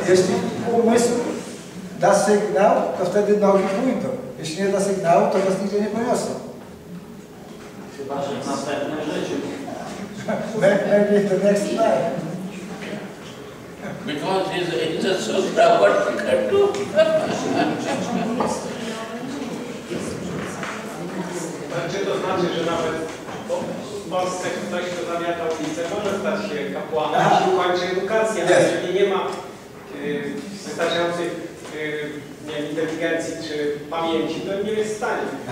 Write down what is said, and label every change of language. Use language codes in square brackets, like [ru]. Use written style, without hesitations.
[pl] Jeśli umysł da sygnał, to wtedy nogi pójdą. Jeśli nie da sygnału, to nas nigdzie nie poniosą. Chyba, że w następnym życiu. [en] Maybe the next time. Because he's in the sutra, what he can do? [pl] Czy to znaczy, że nawet w Polsce ktoś, kto zawiata ulicę, może stać się kapłanem, jeśli kończy edukację, ale jeżeli nie ma wystarczających inteligencji czy pamięci, to nie jest w stanie.